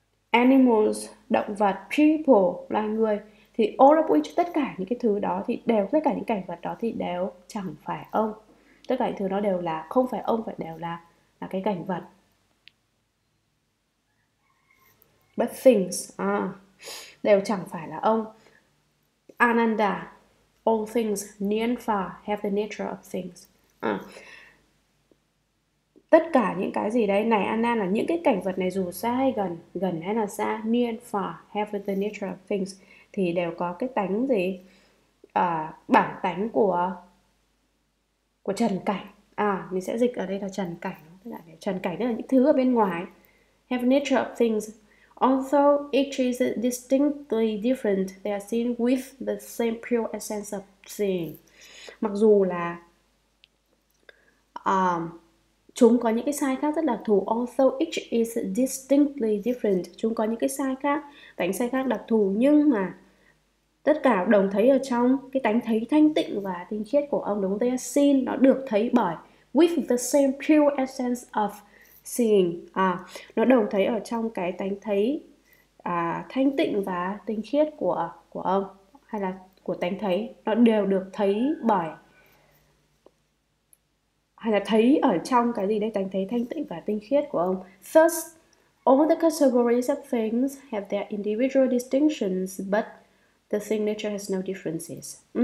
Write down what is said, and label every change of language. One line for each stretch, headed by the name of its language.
English: Animals,
Vietnamese: động vật,
English: people,
Vietnamese: loài người. Thì
English: all of which,
Vietnamese: tất cả những cái thứ đó thì đều, tất cả những cảnh vật đó thì đều chẳng phải ông. Tất cả những thứ đó đều là không phải ông, phải đều là cái cảnh vật.
English: But things,
Vietnamese: đều chẳng phải là ông.
English: Ananda, all things near and far have the nature of things.
Vietnamese: Tất cả những cái gì đấy này, Ananda, là những cái cảnh vật này dù xa hay gần, gần hay là xa,
English: near and far have the nature of things,
Vietnamese: thì đều có cái tánh gì, bản tánh của trần cảnh. Mình sẽ dịch ở đây là trần cảnh, tức là trần cảnh tức là những thứ ở bên ngoài.
English: Have nature of things, although each is distinctly different, they are seen with the same pure essence of seeing.
Vietnamese: Mặc dù là chúng có những cái sai khác rất đặc thù,
English: although each is distinctly different,
Vietnamese: chúng có những cái sai khác, tánh sai khác đặc thù, nhưng mà tất cả đồng thấy ở trong cái tánh thấy thanh tịnh và tinh khiết của ông, đúng không?
English: They seen,
Vietnamese: nó được thấy bởi
English: with the same pure essence of seeing.
Vietnamese: Nó đồng thấy ở trong cái tánh thấy thanh tịnh và tinh khiết của ông, hay là của tánh thấy, nó đều được thấy bởi, hay là thấy ở trong cái gì đây, tánh thấy thanh tịnh và tinh khiết của ông.
English: Thus, all the categories of things have their individual distinctions, but the signature has no differences.